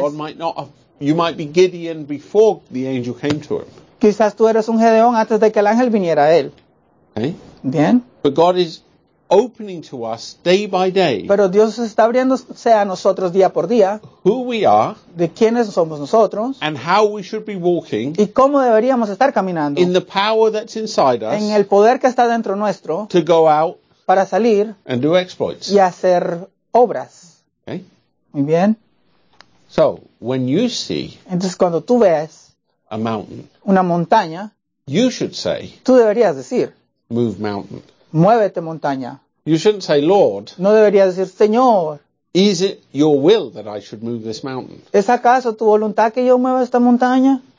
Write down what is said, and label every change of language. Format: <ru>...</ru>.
<en>God might not have, you might be Gideon before the angel came to him.</en> <es>Quizás tú eres un Gedeón antes de que el ángel viniera a él.</es> <en>Okay.</en> <es>Bien.</es> <en>But God is opening to us day by day.</en> <es>Pero Dios está abriéndose a nosotros día por día.</es> <en>Who we are.</en> <es>De quiénes somos nosotros.</es> <en>And how we should be walking.</en> <es>Y cómo deberíamos estar caminando.</es> <en>In the power that's inside us.</en> <es>En el poder que está dentro nuestro.</es> <en>To go out.</en> <es>Para salir.</es> <en>And do exploits.</en> <es>Y hacer obras.</es> <en>Okay.</en> <es>Muy bien.</es> <en>So, when you see.</en> <es>Entonces, cuando tú ves.</es> <en>A mountain.</en> <es>Una montaña.</es> <en>You should say.</en> <es>Tú deberías decir.</es> <en>Move mountain.</en> <es>Muévete, montaña.</es> <en>You shouldn't say, Lord.</en> <es>No deberías decir, Señor.</es> <en>Is it your will that I should move this mountain?</en> <es>¿Es acaso tu voluntad que yo mueva esta montaña?</es>